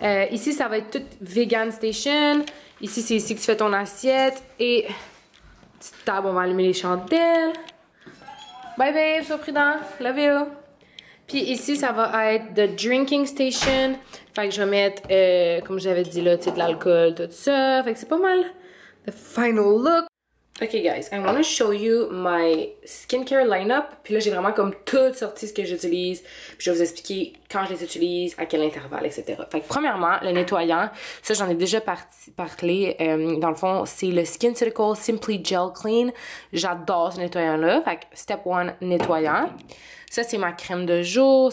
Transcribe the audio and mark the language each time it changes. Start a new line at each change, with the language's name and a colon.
French: Ici, ça va être toute vegan station. Ici, c'est ici que tu fais ton assiette. Et petite table, on va allumer les chandelles.
English: Bye babe,
French: sois prudent.
English: Love you.
French: Puis ici, ça va être
English: the drinking station.
French: Fait que je vais mettre, comme j'avais dit là, tu sais, de l'alcool, tout ça. Fait que c'est pas mal.
English: The final look. Ok guys, I want to show you my skincare lineup.
French: Puis là, j'ai vraiment comme tout sorti ce que j'utilise. Puis je vais vous expliquer quand je les utilise, à quel intervalle, etc. Fait que premièrement, le nettoyant. Ça, j'en ai déjà parlé. Dans le fond, c'est le SkinCeuticals Simply Gel Clean. J'adore ce nettoyant-là. Fait que
English: step one,
French: nettoyant. Ça, c'est ma crème de jour.